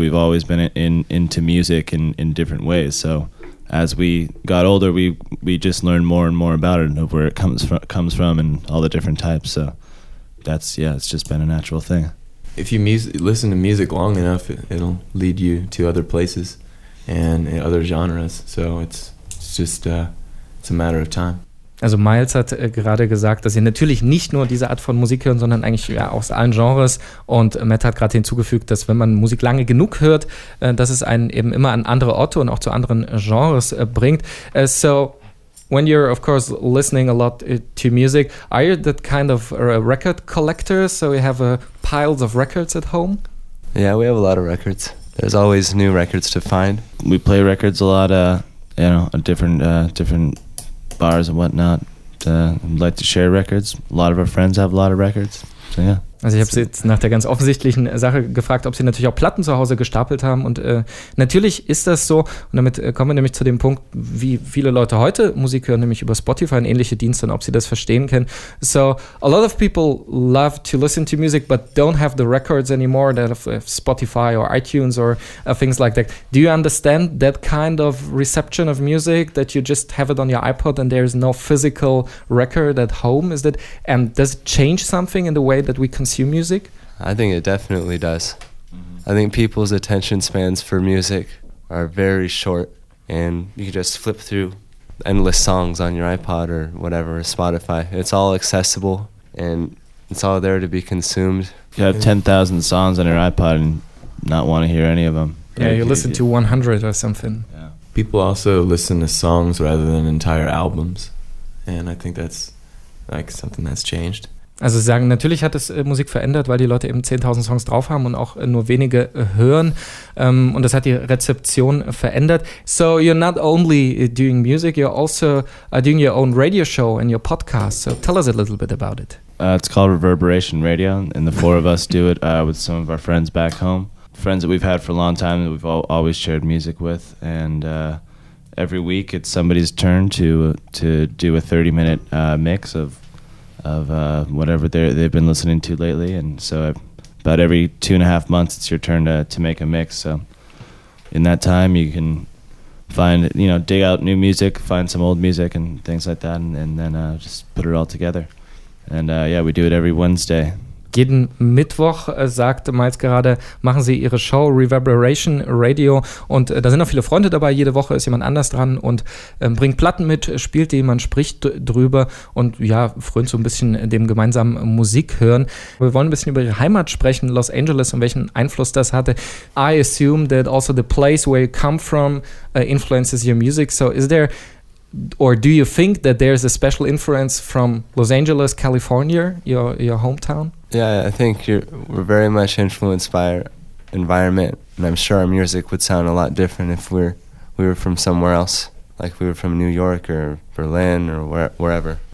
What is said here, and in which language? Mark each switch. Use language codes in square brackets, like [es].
[en] We've always been into music in different ways. So as we got older, we just learned more and more about it and of where it comes from and all the different types. So that's, yeah, it's just been a natural thing. If you listen to music long enough, it'll lead you to other places and other genres. So it's just a matter of time. [de] Also Miles hat gerade gesagt, dass ihr natürlich nicht nur diese Art von Musik hören, sondern eigentlich ja aus allen Genres. Und Matt hat gerade hinzugefügt, dass wenn man Musik lange genug hört, dass es einen eben immer an andere Orte und auch zu anderen Genres bringt. [en] So when you're of course listening a lot to music, are you that kind of a record collector? So you have piles of records at home? Yeah, we have a lot of records. There's always new records to find. We play records a lot, different bars and whatnot. Like to share records. A lot of our friends have a lot of records. So yeah. [de] Also ich habe sie jetzt nach der ganz offensichtlichen Sache gefragt, ob sie natürlich auch Platten zu Hause gestapelt haben. Und natürlich ist das so. Und damit kommen wir nämlich zu dem Punkt, wie viele Leute heute Musik hören, nämlich über Spotify und ähnliche Dienste, und ob sie das verstehen können. [en] So, a lot of people love to listen to music, but don't have the records anymore, that of Spotify or iTunes or things like that. Do you understand that kind of reception of music, that you just have it on your iPod and there is no physical record at home? Is that, and does it change something in the way that we consume music? I think it definitely does. Mm-hmm. I think people's attention spans for music are very short, and you can just flip through endless songs on your iPod or whatever, Spotify. It's all accessible and it's all there to be consumed. You have 10,000 songs on your iPod and not want to hear any of them. Yeah, you listen to 100 or something. Yeah. People also listen to songs rather than entire albums, and I think that's like something that's changed. Also sie sagen, natürlich hat es Musik verändert, weil die Leute eben 10.000 Songs drauf haben und auch nur wenige hören. Und das hat die Rezeption verändert. So you're not only doing music, you're also doing your own radio show and your podcast. So tell us a little bit about it. It's called Reverberation Radio, and the four of us do it with some of our friends back home. Friends that we've had for a long time that we've always shared music with. And every week it's somebody's turn to do a 30-minute mix of whatever they've been listening to lately. And so about every 2.5 months, it's your turn to make a mix. So in that time, you can find, you know, dig out new music, find some old music and things like that, and then just put it all together. And yeah, we do it every Wednesday. [de] Jeden Mittwoch, sagt Miles gerade, machen sie ihre Show Reverberation Radio, und da sind auch viele Freunde dabei. Jede Woche ist jemand anders dran und bringt Platten mit, spielt die, man spricht drüber und ja, frönt so ein bisschen dem gemeinsamen Musik hören. Wir wollen ein bisschen über ihre Heimat sprechen, Los Angeles, und welchen Einfluss das hatte. [en] I assume that also the place where you come from influences your music. So is there or do you think that there's a special influence from Los Angeles, California, your hometown? Yeah, I think we're very much influenced by our environment, and I'm sure our music would sound a lot different if we were from somewhere else, like we were from New York or Berlin or wherever.